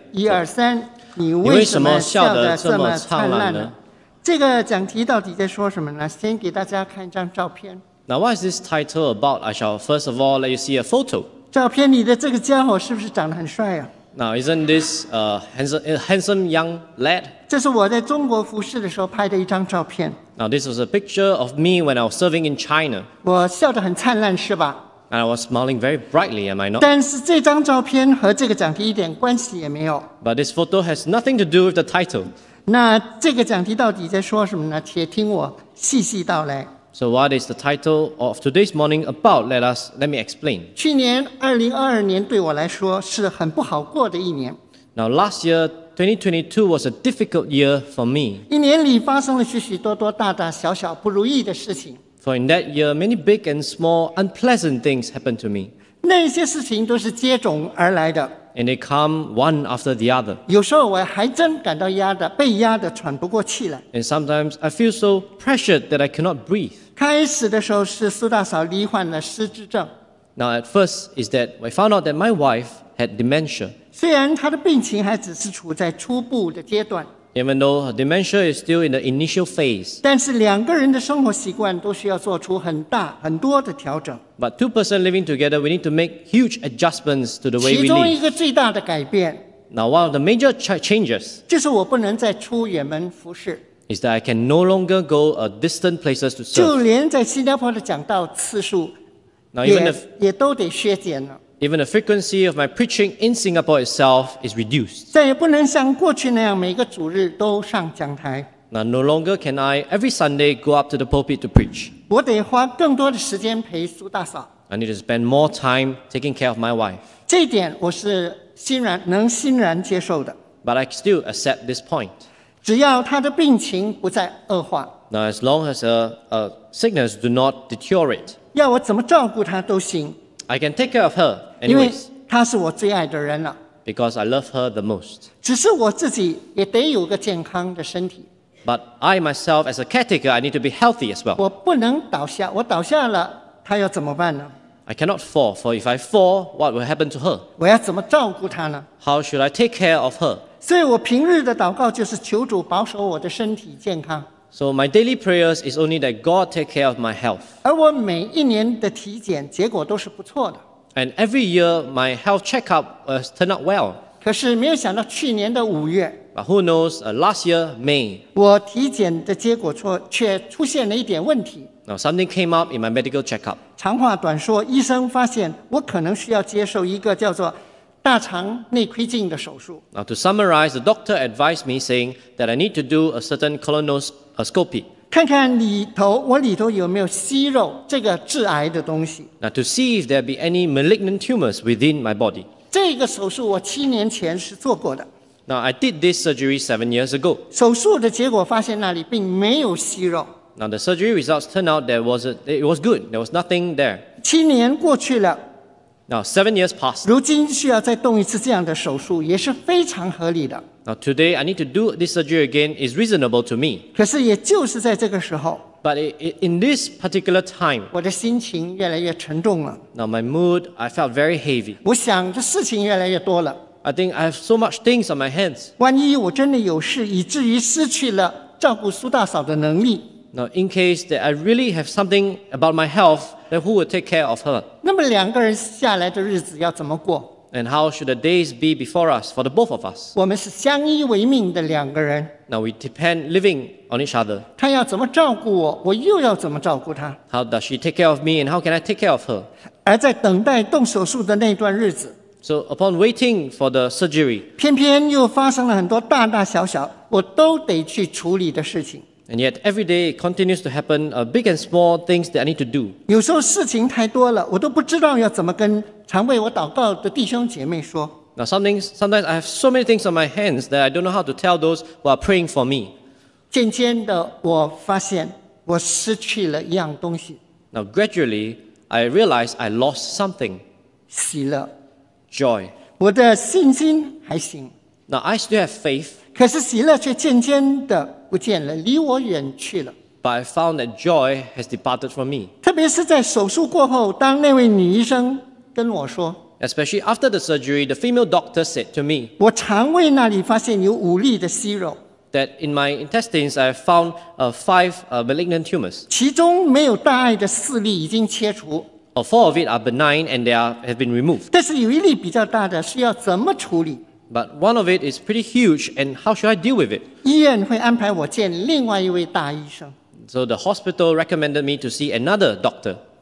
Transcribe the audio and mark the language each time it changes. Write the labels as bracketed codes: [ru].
[zh] 一二三，你为什么笑得这么灿烂呢？这个讲题到底在说什么呢？先给大家看一张照片。 [en] Now what is this title about? I shall first of all let you see a photo. [zh] 照片里的这个家伙是不是长得很帅啊？ [en] Now isn't this a handsome young lad? [zh] 这是我在中国服侍的时候拍的一张照片。 [en] Now this was a picture of me when I was serving in China. [zh] 我笑得很灿烂，是吧？ [en] And I was smiling very brightly, am I not? [zh] 但是这张照片和这个讲题一点关系也没有。 [en] But this photo has nothing to do with the title. [zh] 那这个讲题到底在说什么呢？且听我细细道来。 [en] So what is the title of today's morning about? Let me explain. [zh] 去年2022年对我来说是很不好过的一年。 [en] Now last year, 2022 was a difficult year for me. [zh] 一年里发生了许许多多大大小小不如意的事情。 [en] For in that year, many big and small unpleasant things happened to me. [zh] 那些事情都是接踵而来的。 [en] And they come one after the other. [zh] 有时候我还真感到压得被压得喘不过气来。 [en] And sometimes I feel so pressured that I cannot breathe. [zh] 开始的时候是苏大嫂罹患了失智症。 [en] Now at first is that I found out that my wife had dementia. [zh] 虽然她的病情还只是处在初步的阶段。 [en] Even though her dementia is still in the initial phase. [zh] 但是两个人的生活习惯都需要做出很大很多的调整。 [en] But two person living together, we need to make huge adjustments to the way we live. [zh] 其中一个最大的改变。 [en] Now one of the major changes. [zh] 就是我不能再出远门服事。 [en] Is that I can no longer go a distant places to serve. [zh] 就连在新加坡的讲道次数也都得削减了。 [en] Even the frequency of my preaching in Singapore itself is reduced. [zh] 再也不能像过去那样每个主日都上讲台。 [en] Now no longer can I every Sunday go up to the pulpit to preach. [zh] 我得花更多的时间陪苏大嫂。 [en] I need to spend more time taking care of my wife. [zh] 这一点我是欣然接受的。 [en] But I still accept this point. [zh] 只要她的病情不再恶化。 [en] Now as long as her sickness do not deteriorate. [zh] 要我怎么照顾她都行。 [en] I can take care of her anyways. [zh] 因为她是我最爱的人了。 [en] Because I love her the most. [zh] 只是我自己也得有个健康的身体。 [en] But I myself as a caretaker, I need to be healthy as well. [zh] 我不能倒下，我倒下了，她要怎么办呢？ [en] I cannot fall, for if I fall, what will happen to her? [zh] 我要怎么照顾她呢？ [en] How should I take care of her? [zh] 所以我平日的祷告就是求主保守我的身体健康。 [en] So my daily prayers is only that God take care of my health. [zh] 而我每一年的体检结果都是不错的。 [en] And every year my health checkup has turned out well. [zh] 可是没有想到去年的五月。 [en] But who knows, last year, May. [zh] 我体检的结果却出现了一点问题。 [en] Now something came up in my medical checkup. [zh] 长话短说，医生发现我可能需要接受一个叫做大肠内窥镜的手术。 [en] Now to summarize, the doctor advised me saying that I need to do a certain colonoscopy. [zh] 看看里头，我里头有没有息肉，这个致癌的东西。 [en] Now to see if there be any malignant tumors within my body. [zh] 这个手术我七年前是做过的。 [en] Now I did this surgery 7 years ago. [zh] 手术的结果发现那里并没有息肉。 [en] Now the surgery results turned out it was good, there was nothing there. [zh] 七年过去了。 [en] Now 7 years passed. [zh] 如今需要再动一次这样的手术也是非常合理的。 [en] Now today I need to do this surgery again is reasonable to me. [zh] 可是也就是在这个时候。 [en] But in this particular time. [zh] 我的心情越来越沉重了。 [en] Now my mood, I felt very heavy. [zh] 我想的事情越来越多了。 [en] I think I have so much things on my hands. [zh] 万一我真的有事以至于失去了照顾苏大嫂的能力。 [en] Now in case that I really have something about my health, then who will take care of her? [zh] 那么两个人下来的日子要怎么过？ [en] And how should the days be before us, for the both of us? [zh] 我们是相依为命的两个人。 [en] Now we depend living on each other. [zh] 她要怎么照顾我，我又要怎么照顾她。 [en] How does she take care of me, and how can I take care of her? [zh] 而在等待动手术的那段日子。 [en] So upon waiting for the surgery. [zh] 偏偏又发生了很多大大小小，我都得去处理的事情。 [en] And yet every day it continues to happen, big and small things that I need to do. [zh] 有时候事情太多了，我都不知道要怎么跟常为我祷告的弟兄姐妹说。 [en] Now sometimes I have so many things on my hands that I don't know how to tell those who are praying for me. [zh] 渐渐的我发现我失去了一样东西。 [en] Now gradually, I realized I lost something. [zh] 喜乐。 [en] Joy. [zh] 我的信心还行。 [en] Now I still have faith. [zh] 可是喜乐却渐渐的不见了，离我远去了。 [en] But I found that joy has departed from me. [zh] 特特别是在手术过后，当那位女医生跟我说 [en] ，Especially after the surgery, the female doctor said to me， [zh] 我肠胃那里发现有五粒的息肉。 [en] That in my intestines I found five malignant tumors. [zh] 其中没有大碍的四粒已经切除。 [en] Four of it are benign and they have been removed. [zh] 但是有一粒比较大的需要怎么处理 [en] ？But one of it is pretty huge and how should I deal with it？ [zh] 医院会安排我见另外一位大医生。 [en] So the hospital recommended me to see another doctor.